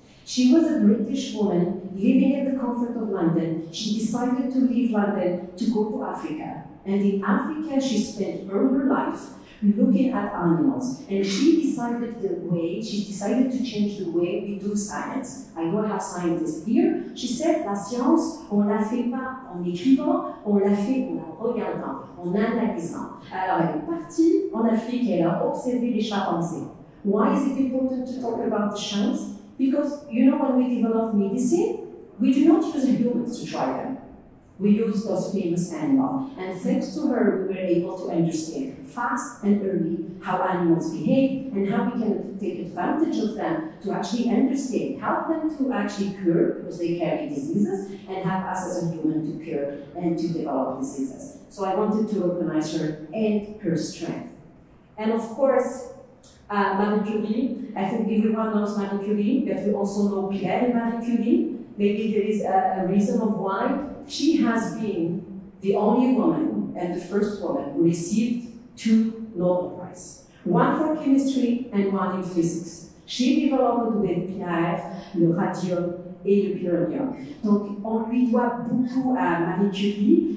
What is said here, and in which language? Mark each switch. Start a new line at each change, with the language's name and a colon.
English: She was a British woman living in the comfort of London. She decided to leave London to go to Africa. And in Africa, she spent all her life looking at animals. And she decided to change the way we do science. I don't have scientists here. She said,
French: la science, on la fait pas en écrivant, on la fait en la regardant, en analysant. Alors elle est partie en Afrique et elle a observé les chimpanzés.
English: Why is it important to talk about the chimps? Because, you know, when we develop medicine, we do not use humans to try them. We use those famous animals. And thanks to her, we were able to understand fast and early how animals behave and how we can take advantage of them to actually understand, help them to actually cure because they carry diseases and help us as a human to cure and to develop diseases. So I wanted to recognize her and her strength. And of course, Marie Curie, I think everyone knows Marie Curie, but we also know Pierre Marie Curie. Maybe there is a reason of why. She has been the only woman and the first woman who received two Nobel Prizes, one for chemistry and one in physics. She developed with Pierre
French: le radium et le polonium. Donc, on lui doit beaucoup à Marie Curie.